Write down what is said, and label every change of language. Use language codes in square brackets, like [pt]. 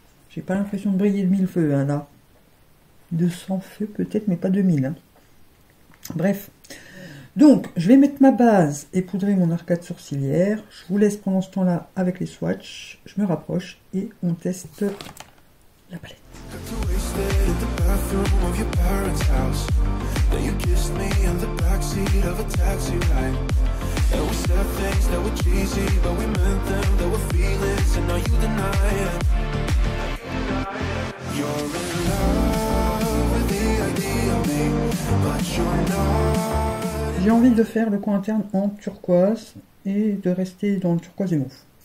[fr] J'ai pas l'impression de briller de 1000 feux, hein, là. 200 feux peut-être, mais pas 2000. Hein. Bref. Donc, je vais mettre ma base et poudrer mon arcade sourcilière. Je vous laisse pendant ce temps-là avec les swatchs. Je me rapproche et on teste la palette. [en] In the bathroom of your parents' house, then you kissed me in the backseat of a taxi ride. And we said things that were cheesy, but we meant them. There were feelings, and now you deny it. You're in love with the idea of me, but you're not. [fr] J'ai envie de faire le coin interne en turquoise et de rester dans le turquoise et mouf.